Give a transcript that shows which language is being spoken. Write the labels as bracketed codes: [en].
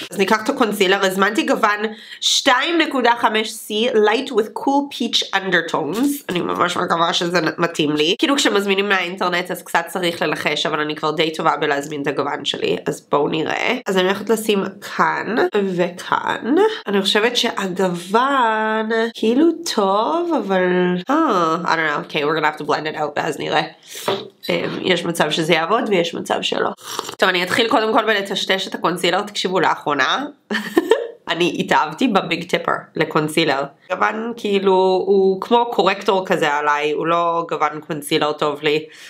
[he] אז ניקח את הקונסילר, הזמנתי גוון 2.5C [en] Light with Cool Peach Undertones. [he] אני ממש מקווה שזה מתאים לי. כאילו כשמזמינים מהאינטרנט אז קצת צריך ללחש, אבל אני כבר די טובה להזמין את הגוון שלי, אז בואו נראה. אז אני הולכת לשים כאן וכאן. אני חושבת שהגוון כאילו טוב, אבל [en] I don't know, okay, we're gonna have to blend it out, [he] ואז נראה. יש מצב שזה יעבוד ויש מצב שלא. טוב, אני אתחיל קודם כל בלטשטש את הקונסילר. תקשיבו, לאחרונה אני התאהבתי בביג טיפר לקונסילר. גוון כאילו הוא כמו קורקטור כזה עליי, הוא לא גוון קונסילר טוב לי.